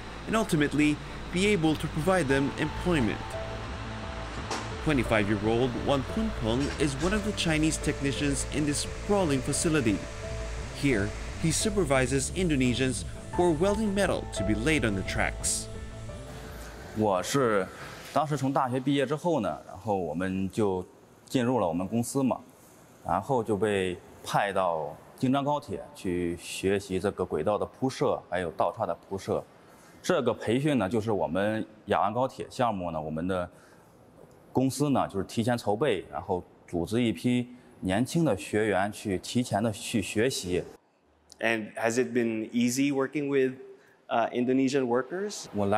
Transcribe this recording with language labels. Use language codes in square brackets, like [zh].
[en] and ultimately be able to provide them employment. 25-year-old Wan Pun Peng is one of the Chinese technicians in this sprawling facility. Here, he supervises Indonesians who are welding metal to be laid on the tracks. [zh] 我是当时从大学毕业之后呢，然后我们就进入了我们公司嘛，然后就被派到京张高铁去学习这个轨道的铺设，还有道岔的铺设。这个培训呢，就是我们雅安高铁项目呢，我们的公司呢，就是提前筹备，然后组织一批年轻的学员去提前的去学习。 [en] And has it been easy working with Indonesian workers?